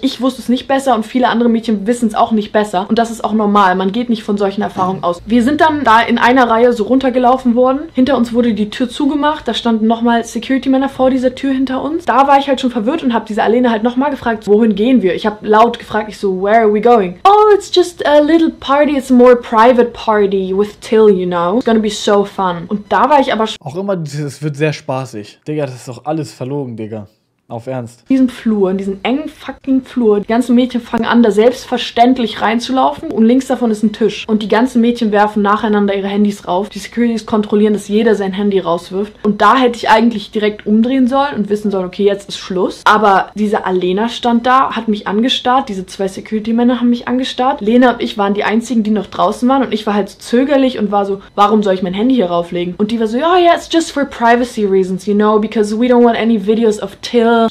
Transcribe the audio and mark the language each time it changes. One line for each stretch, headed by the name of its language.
German: Ich wusste es nicht besser und viele andere Mädchen wissen es auch nicht besser. Und das ist auch normal. Man geht nicht von solchen Erfahrungen aus. Wir sind dann da in einer Reihe so runtergelaufen worden. Hinter uns wurde die Tür zugemacht. Da standen nochmal Security-Männer vor dieser Tür hinter uns. Da war ich halt schon verwirrt und habe diese Alene halt nochmal gefragt, wohin gehen wir? Ich habe laut gefragt, ich so,
English: where are we going? Oh, it's just a little party. It's a more private party with Till, you know. It's gonna be so fun.
German: Und da war ich aber auch immer, es wird sehr spaßig. Digga, das ist doch alles verlogen, Digga. Auf Ernst. In diesem Flur, in diesem engen fucking Flur, die ganzen Mädchen fangen an, da selbstverständlich reinzulaufen und links davon ist ein Tisch. Und die ganzen Mädchen werfen nacheinander ihre Handys rauf. Die Securities kontrollieren, dass jeder sein Handy rauswirft. Und da hätte ich eigentlich direkt umdrehen sollen und wissen sollen, okay, jetzt ist Schluss. Aber diese Alena stand da, hat mich angestarrt. Diese zwei Security-Männer haben mich angestarrt. Lena und ich waren die einzigen, die noch draußen waren. Und ich war halt so zögerlich und war so, warum soll ich mein Handy hier rauflegen? Und die war so,
English: oh yeah, it's just for privacy reasons, you know, because we don't want any videos of Till.